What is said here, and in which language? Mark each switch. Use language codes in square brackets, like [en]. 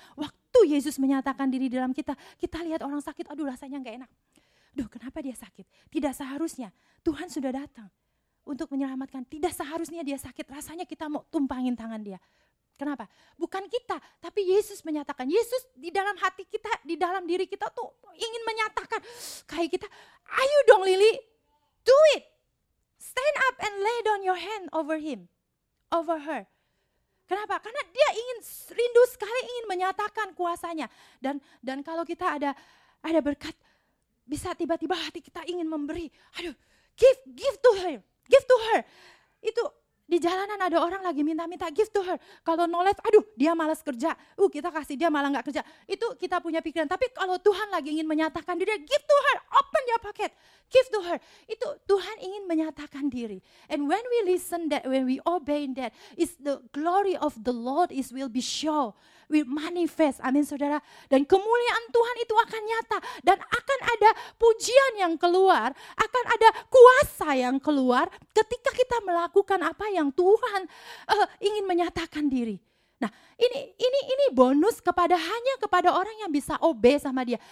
[id] Waktu Yesus menyatakan diri di dalam kita lihat orang sakit, aduh rasanya gak enak. Duh, kenapa dia sakit? Tidak seharusnya. Tuhan sudah datang untuk menyelamatkan. Tidak seharusnya dia sakit. Rasanya kita mau tumpangin tangan dia. Kenapa? Bukan kita, tapi Yesus menyatakan. Yesus di dalam hati kita, di dalam diri kita tuh ingin menyatakan. Kayak kita, ayo dong Lily, [en] do it. Stand up and lay down your hand over him, over her. [id] Kenapa? Karena dia ingin, rindu sekali ingin menyatakan kuasanya. Dan kalau kita ada berkat, bisa tiba-tiba hati kita ingin memberi. Aduh, [en] give to her. [id] Itu di jalanan ada orang lagi minta-minta, give to her. Kalau knowledge, aduh dia malas kerja. Kita kasih dia malah gak kerja. Itu kita punya pikiran. Tapi kalau Tuhan lagi ingin menyatakan diri, [en] give to her, open your pocket. Give to her. [id] Itu Tuhan ingin menyatakan diri. [en] And when we listen that, when we obey that, is the glory of the Lord is will be show, will manifest. [id] Amin, saudara. Dan kemuliaan Tuhan itu akan nyata. Dan akan ada pujian yang keluar. Akan ada kuasa yang keluar. Ketika kita melakukan apa yang Tuhan ingin menyatakan diri. Nah, ini bonus kepada hanya kepada orang yang bisa obey sama dia.